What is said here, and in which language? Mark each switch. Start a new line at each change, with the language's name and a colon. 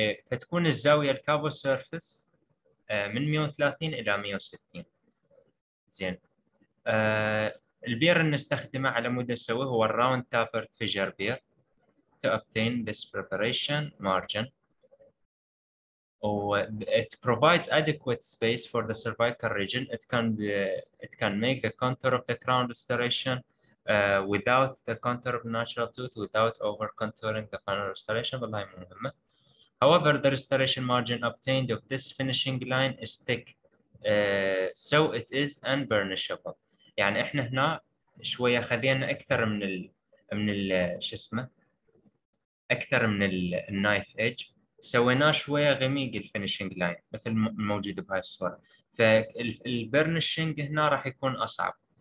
Arabic: فتكون الزاويه الكافو سيرفيس من 130 الى 160. زين. البير اللي نستخدمه على مود نسويه هو الراوند تابرت فيجر بير
English: To obtain this preparation margin. It provides adequate space for the cervical region. It can make the contour of the crown restoration without the contour of natural tooth, without over contouring the final restoration. However, the restoration margin obtained of this finishing line is thick, so it is unburnishable.
Arabic: يعني احنا هنا شويه خذينا اكثر من ال من ال شو اسمه اكثر من النايف ايج، سويناه شويه غميق الفينشينج لاين مثل الموجود بهاي الصوره، فالبرنشنج هنا راح يكون اصعب.